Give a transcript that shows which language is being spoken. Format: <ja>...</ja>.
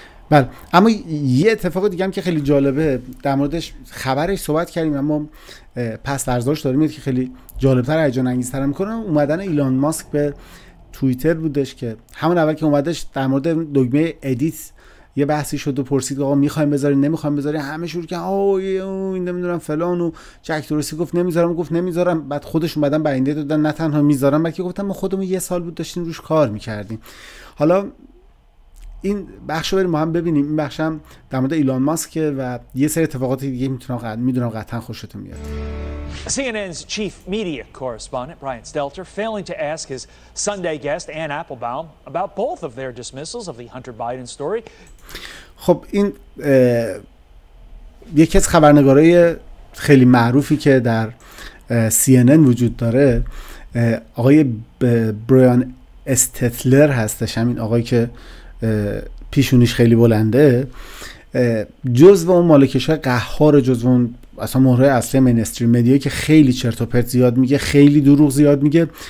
<fa>بله، اما یه اتفاق دیگه هم که خیلی جالبه در موردش خبرش صحبت کردیم، اما پس درزاش داریم که خیلی جالبتر هیجان انگیزتر میکنه، اومدن ایلان ماسک به توییتر بودش که همون اول که اومدش در مورد دگمه ادیت یه بحثی شد و پرسید آقا میخوایم بذاریم نمیخوایم بذاریم، همه شروع که این نمیدونم فلان، و جک دورسی گفت نمیذارم. بعد خودشون بعدن بینده دادن نه تنها میذارم، بلکه گفتن ما خودمون یه سال بود داشتیم روش کار میکردیم. حالا این بخشو بریم ما هم ببینیم. این بخش هم در مورد ایلان ماسک و یه سری اتفاقات دیگه میدونم قطعا خوشتون میاد.</fa> <en>CNN's chief media correspondent Brian Stelter failing to ask his Sunday guest Ann Applebaum about both of their dismissals of the Hunter Biden story.</en> <fa>خب این یکی از خبرنگارای خیلی معروفی که در CNN وجود داره آقای برایان استتلر هستش، همین آقایی که پیشونیش خیلی بلنده، جزو اون مالکش‌های قهار، جزو اون اصلا مهره اصلی مینستریم مدیا که خیلی چرت و پرت زیاد میگه، خیلی دروغ زیاد میگه.</fa>